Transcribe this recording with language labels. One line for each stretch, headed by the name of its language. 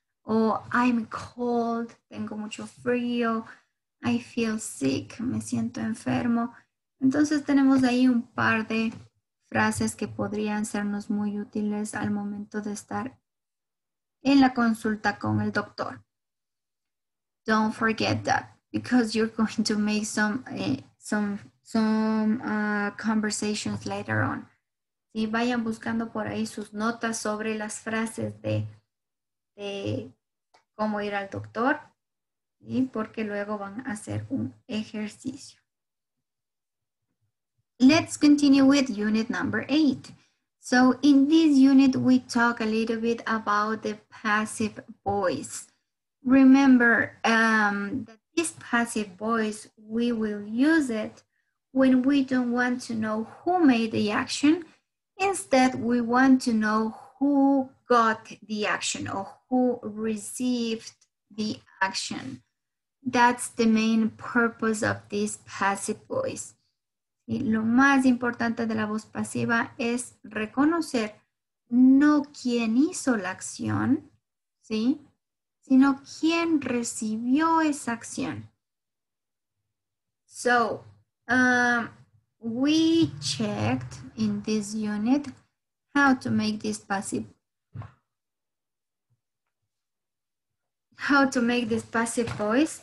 Spanish: O
English: I'm cold,
Spanish: tengo mucho frío.
English: I feel sick,
Spanish: me siento enfermo. Entonces tenemos ahí un par de frases que podrían sernos muy útiles al momento de estar en la consulta con el doctor.
English: Don't forget that, because you're going to make some conversations later on.
Spanish: Y vayan buscando por ahí sus notas sobre las frases de cómo ir al doctor, ¿sí? Porque luego van a hacer un ejercicio.
English: Let's continue with unit number 8. So in this unit, we talk a little bit about the passive voice. Remember that this passive voice, we will use it when we don't want to know who made the action. Instead, we want to know who got the action or who received the action. That's the main purpose of this passive voice.
Spanish: Y lo más importante de la voz pasiva es reconocer no quién hizo la acción, ¿sí?, sino quién recibió esa acción.
English: So, we checked in this unit how to make this passive voice.